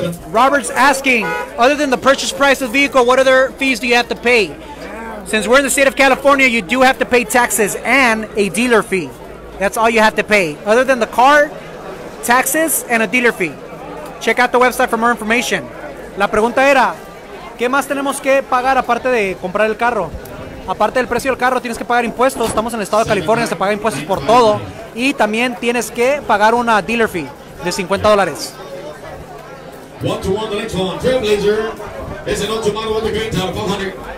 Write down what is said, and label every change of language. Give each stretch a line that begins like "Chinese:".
English: Robert's asking, other than the purchase price of the vehicle, what other fees do you have to pay? Since we're in the state of California, you do have to pay taxes and a dealer fee. That's all you have to pay. Other than the car, taxes and a dealer fee. Check out the website for more information.
Spanish: La pregunta era, ¿qué más tenemos que pagar aparte de comprar el carro? Aparte del precio del carro, tienes que pagar impuestos. Estamos en el estado de California, se paga impuestos por todo. Y también tienes que pagar una dealer fee de $50.
English: One to one, the next one. Trailblazer. It's an old model with the green top, 400.